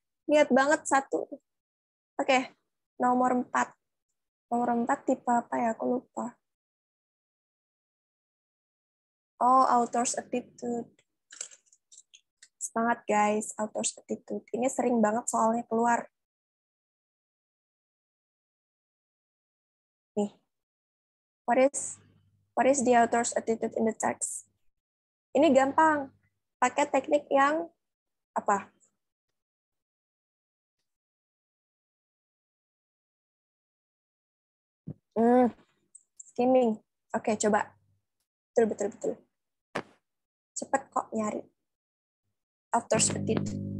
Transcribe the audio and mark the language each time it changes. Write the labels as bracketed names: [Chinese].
[Indonesian] Niat banget 1. Oke, nomor 4. Nomor 4 tipe apa ya? Aku lupa. Oh, author's attitude. Semangat guys, author's attitude. Ini sering banget soalnya keluar. [English] Nih, what is the author's attitude in the text? [Indonesian] Ini gampang, pakai teknik yang apa? Skimming. Oke, coba. Betul. Cepet kok nyari. Author's attitude.